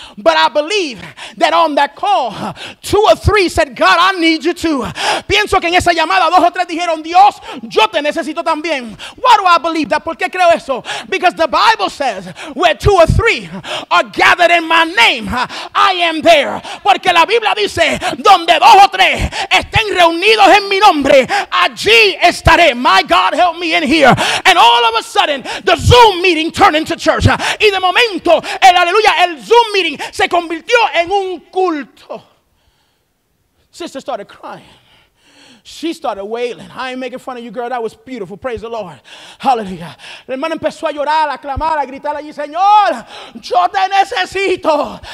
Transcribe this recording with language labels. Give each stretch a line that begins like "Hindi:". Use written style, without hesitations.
English: But I believe that on that call, two or three said, God, I need you too.
Spanish: Pienso que en esa llamada, dos o tres dijeron, Dios, yo te necesito también.
English: Why do I believe that?
Spanish: ¿Por qué creo eso?
English: Because the Bible says, where two or three are gathered in my name, I am there.
Spanish: Porque la Biblia dice, donde dos o tres estén reunidos en mi nombre, allí estaré.
English: My God, help me in here. And all of a sudden, the Zoom meeting turned into church.
Spanish: Y de momento, el aleluya, el Zoom meeting se convirtió en un culto.
English: Sister started crying. She started wailing. I ain't making fun of you, girl. That was beautiful. Praise the Lord. Hallelujah.
Spanish: La hermana empezó a llorar, a clamar, a gritar allí, Señor, yo te necesito.